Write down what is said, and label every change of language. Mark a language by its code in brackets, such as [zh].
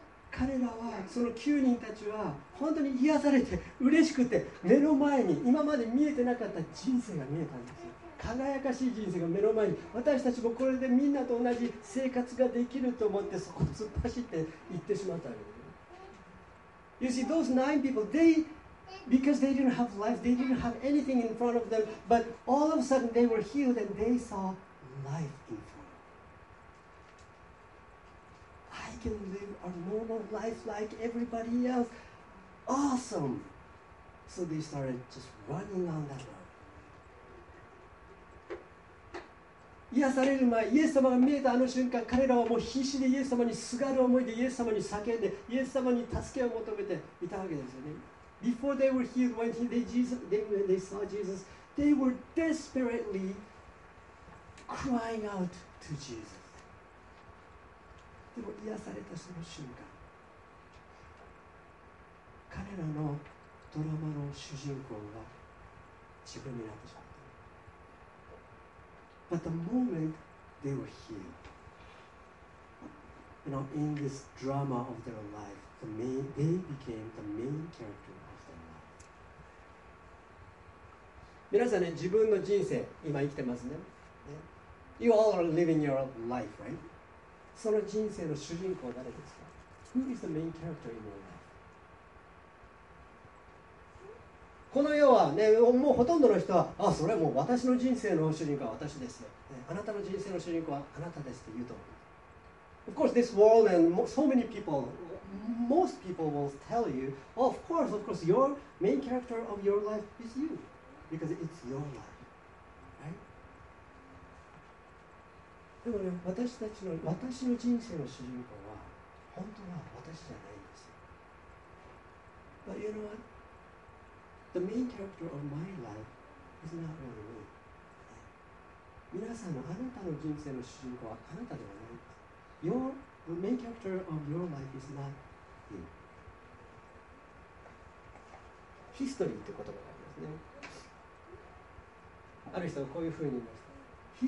[ja] 彼らは、その9人たちは、本当に癒されて、嬉しくて、目の前に、今まで見えてなかった人生が見えたんですよ。輝かしい人生が目の前に、私たちもこれでみんなと同じ生活ができると思って、そこを突っ走って行ってしまったわけです。 [en] You see, those nine people, they, because they didn't have life, they didn't have anything in front of them, but all of a sudden they were healed and they saw life in front. We can live a normal life like everybody else. Awesome! So they started just running on that road. [ja] 癒される前、イエス様が見えたあの瞬間、彼らはもう必死でイエス様にすがる思いで、イエス様に叫んで、イエス様に助けを求めていたわけですよね。 [en] Before they were healed, when they saw Jesus, they were desperately crying out to Jesus. [ja] でも癒されたその瞬間、彼らのドラマの主人公が自分になってしまった。 [en] But the moment they were healed, you know, in this drama of their life, they became the main character of their life. [ja] 皆さんね、自分の人生、今生きてますね。 [en] Yeah. You all are living your life, right? [ja] その人生の主人公は誰ですか? [en] Who is the main character in your life? [ja] この世はね、もうほとんどの人は、あ、それはもう私の人生の主人公は私ですよ。あなたの人生の主人公はあなたですと言うと思う。 [en] Of course, this world and so many people, most people will tell you, of course, your main character of your life is you, because it's your life. [ja] でもね、私の人生の主人公は本当は私じゃないんですよ。 [en] But you know what? The main character of my life is not really me. [ja] 皆さんのあなたの人生の主人公はあなたではないんです。 [en] The main character of your life is not you. [ja] ヒストリーって言葉がありますね。ある人はこういうふうに言いました。